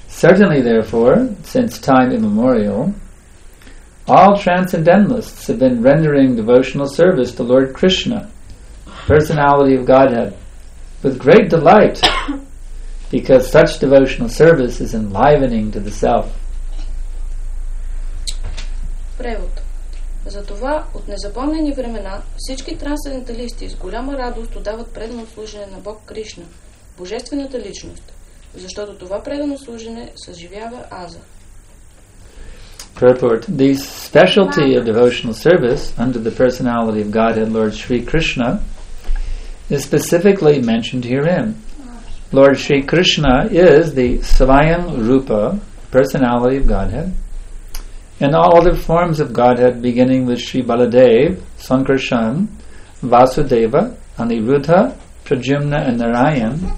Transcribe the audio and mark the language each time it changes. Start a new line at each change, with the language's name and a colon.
English: Certainly, therefore, since time immemorial, all transcendentalists have been rendering devotional service to Lord Krishna, personality of Godhead, with great delight. Because such devotional service is enlivening to the self.
Bulgarian: Превод. Затова от незапомнени времена всички трансценденталисти с голяма радост отдават предано служене на Бог Кришна, Божествената личност, защото това предано служене съживява Аза.
English: Purport. The specialty of devotional service under the personality of Godhead Lord Sri Krishna is specifically mentioned herein. Lord Sri Krishna is the Svayam Rupa, personality of Godhead, and all other forms of Godhead, beginning with Sri Baladev, Sankarshan, Vasudeva, Aniruddha, Prajumna, and Narayan,